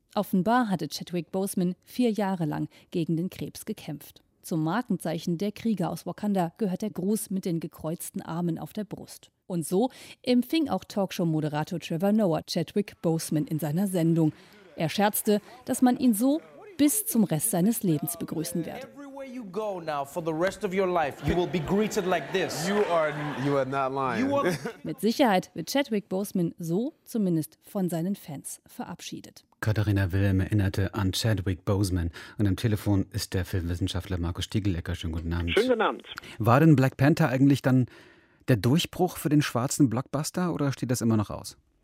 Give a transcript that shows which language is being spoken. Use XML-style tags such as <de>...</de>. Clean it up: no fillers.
<de>Offenbar hatte Chadwick Boseman 4 Jahre lang gegen den Krebs gekämpft. Zum Markenzeichen der Krieger aus Wakanda gehört der Gruß mit den gekreuzten Armen auf der Brust. Und so empfing auch Talkshow-Moderator Trevor Noah Chadwick Boseman in seiner Sendung. Er scherzte, dass man ihn so bis zum Rest seines Lebens begrüßen werde.</de> <en>You go now for the rest of your life. You will be greeted like this. You are not lying.</en> <de>Mit Sicherheit wird Chadwick Boseman so zumindest von seinen Fans verabschiedet. Katharina Wilhelm erinnerte an Chadwick Boseman und am Telefon ist der Filmwissenschaftler Markus Stiegelecker. Schönen guten Abend. Schönen guten Abend. War denn Black Panther eigentlich dann der Durchbruch für den schwarzen Blockbuster oder steht das immer noch aus?</de>